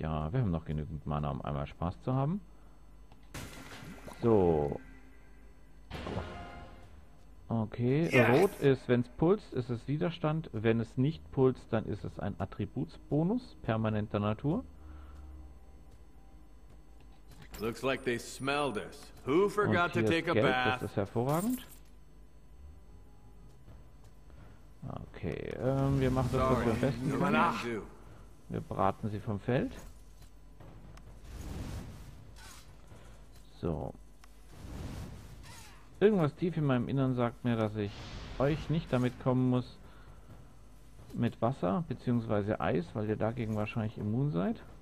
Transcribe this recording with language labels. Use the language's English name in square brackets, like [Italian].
[German] Ja, wir haben noch genügend Mana, um einmal Spaß zu haben. So. Okay, [English] yes. [German] Rot ist, wenn es pulst, ist es Widerstand. Wenn es nicht pulst, dann ist es ein Attributsbonus permanenter Natur. [English] Looks like they smelled us. Who forgot to take a bath? [German] Das ist hervorragend. Okay, wir machen das, was wir festen können. Wir braten sie vom Feld. So. Irgendwas tief in meinem Innern sagt mir, dass ich euch nicht damit kommen muss mit Wasser bzw. Eis, weil ihr dagegen wahrscheinlich immun seid.